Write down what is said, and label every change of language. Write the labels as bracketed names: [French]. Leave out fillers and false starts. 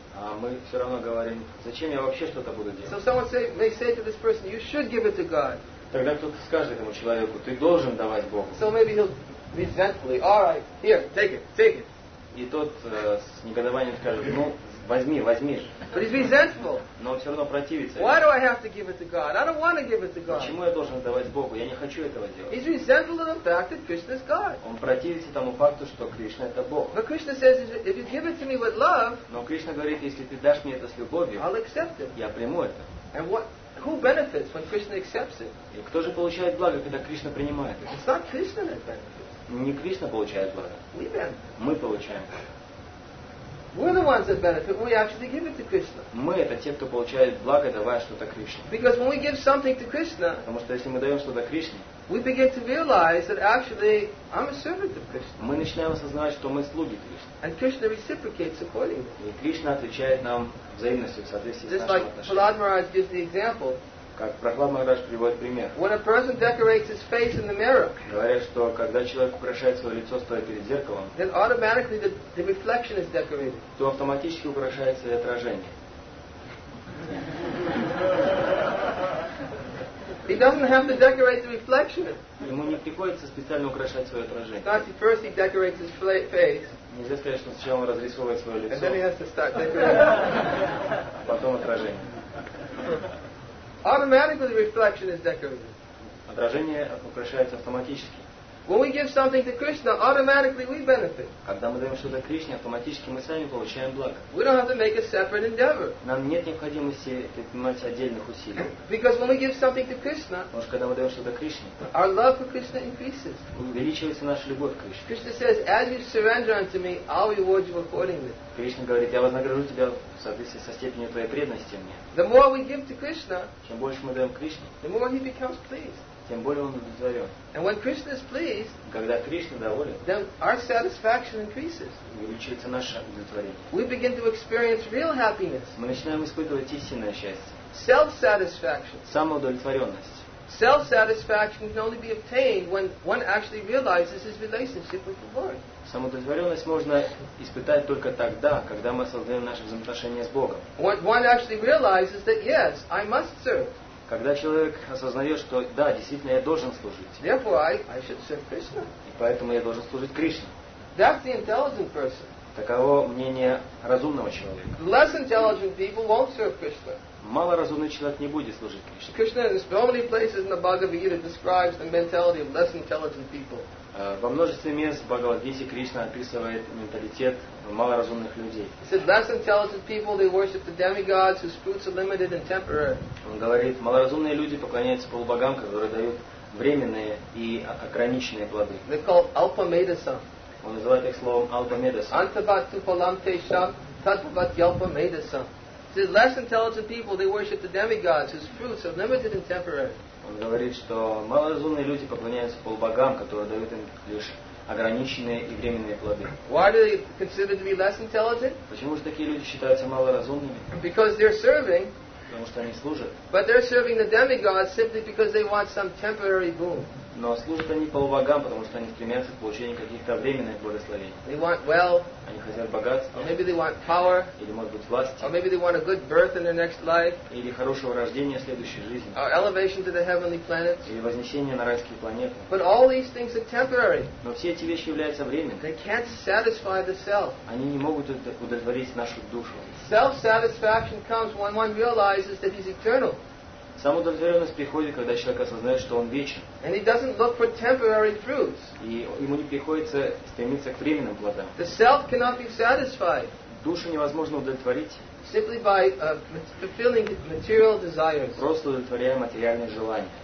[Russian] А мы все равно говорим, зачем я вообще что-то буду делать? [English] So someone may say to this person, you should give it to God. [Russian] Тогда кто-то скажет этому человеку, ты должен давать Богу. [English] So maybe he'll resentfully, all right, here, take it, take it. [Russian] И тот с негодованием скажет, ну, возьми, возьми же. [English] But he's resentful. [Russian] Но он все равно противится. [English] Why do I have to give it to God? I don't want to give it to God. [Russian] Почему я должен давать Богу? Я не хочу этого делать. [English] He's resentful of the fact that Krishna is God. [Russian] Он противится тому факту, что Кришна это Бог. [English] But Krishna says, if you give it to me with love, [Russian] но Кришна говорит, если ты дашь мне это с любовью, [English] I'll accept it. [Russian] Я приму это. [English] And what, who benefits when Krishna accepts it? [Russian] И кто же получает благо, когда Кришна принимает это? [English] It's not Krishna that benefits. [Russian] Не Кришна получает благо. [English] We benefit. [Russian] Мы получаем. [English] We're the ones that benefit. We actually give it to Krishna. [Russian] Мы это те, кто получает благо, давая что-то Кришне. [English] Because when we give something to Krishna, [Russian] потому что если мы даем что-то Кришне, [English] we begin to realize that actually I'm a servant of Krishna. [Russian] Мы начинаем осознавать, что мы слуги Кришны. [English] And Krishna reciprocates accordingly. [Russian] И Кришна отвечает нам взаимностью в соответствии [English] just [Russian] с нашим отношением. [English] Just like Prahlad Maharaj gives the example. [Russian] Как Прохлад Махарадж приводит пример. [English] When a person decorates his face in the mirror, [Russian] говорят, что когда человек украшает свое лицо, стоя перед зеркалом, [English] then automatically the reflection is decorated. [Russian] То автоматически украшается и отражение. [English] He doesn't have to decorate the reflection. [Russian] Ему не приходится специально украшать свое отражение. [English] Not he first he decorates his face. [Russian] Нельзя сказать, что сначала он разрисовывает свое лицо. [English] And then he has to start decorating. [Russian] Потом отражение. [English] Automatically, the reflection is decorated. [Russian] Отражение украшается автоматически. [English] When we give something to Krishna, automatically we benefit. [Russian] Когда мы даем что-то Кришне, автоматически мы сами получаем благо. [English] We don't have to make a separate endeavor. [Russian] Нам нет необходимости предпринимать отдельных усилий. [English] Because when we give something to Krishna, [Russian] потому что когда мы даем что-то Кришне, [English] our love for Krishna increases. [Russian] Увеличивается наша любовь к Кришне. [English] Krishna says, as you surrender unto me, I'll reward you accordingly. [Russian] Кришна говорит, я вознагражу тебя в соответствии со степенью твоей преданности мне. [English] The more we give to Krishna, [Russian] чем больше мы даем Кришне, [English] the more he becomes pleased. [Russian] Тем более он удовлетворен. [English] And when Krishna is pleased, [Russian] когда Кришна доволен, [English] then our satisfaction increases. [Russian] Увеличивается наше удовлетворение. [English] We begin to experience real happiness. [Russian] Мы начинаем испытывать истинное счастье. [English] Self-satisfaction. [Russian] Самоудовлетворенность. [English] Self-satisfaction can only be obtained when one actually realizes his relationship with the Lord. [Russian] Самоудовлетворенность можно испытать только тогда, когда мы осознаем наши взаимоотношения с Богом. [English] When one actually realizes that yes, I must serve. [Russian] Когда человек осознает, что да, действительно, я должен служить. [English] Therefore, I should serve Krishna. [Russian] И поэтому я должен служить Кришне. [English] That's the intelligent person. [Russian] Таково мнение разумного человека. [English] Less intelligent people won't serve Krishna. [Russian] Малоразумный человек не будет служить Кришне. [English] Krishna in so many places in the Bhagavad Gita describes the mentality of less intelligent people. [Russian] Во множестве мест в Бхагавад-гите Кришна описывает менталитет малоразумных людей. [English] He said, less intelligent people, they worship the demigods whose fruits are limited and temporary. [Russian] Он говорит, малоразумные люди поклоняются полубогам, которые дают временные и ограниченные плоды. [English] They call alpamedasa. [Russian] Он называет их словом alpamedasa. [Sanskrit] Antabat tupalamtesha, tatabat yalpamedasa. [English] He said, less intelligent people, they worship the demigods whose fruits are limited and temporary. [Russian] Он говорит, что малоразумные люди поклоняются полубогам, которые дают им лишь ограниченные и временные плоды. [English] Why do they consider to be less intelligent? [Russian] Почему же такие люди считаются малоразумными? [English] Because they're serving. [Russian] Потому что они служат. [English] But they're serving the demigods simply because they want some temporary boon. [Russian] Но служат они полубогам, потому что они стремятся к получению каких-то временных благословений. [English] They want wealth. [Russian] Они хотят богатства. [English] Or maybe they want power. [Russian] Или, может быть, власть. [English] Or maybe they want a good birth in their next life. [Russian] Или хорошего рождения в следующей жизни. [English] Or elevation to the heavenly planets. [Russian] Или вознесение на райские планеты. [English] But all these things are temporary. [Russian] Но все эти вещи являются временными. [English] They can't satisfy the self. [Russian] Они не могут удовлетворить нашу душу. [English] Self-satisfaction comes when one realizes that he's eternal. [Russian] Самоудовлетворенность приходит, когда человек осознает, что он вечен. [English] And he doesn't look for temporary fruits. [Russian] И ему не приходится стремиться к временным плодам. [English] The self cannot be satisfied. [Russian] Душу невозможно удовлетворить. [English] Simply by fulfilling material desires. [Russian] Просто удовлетворяя материальные желания.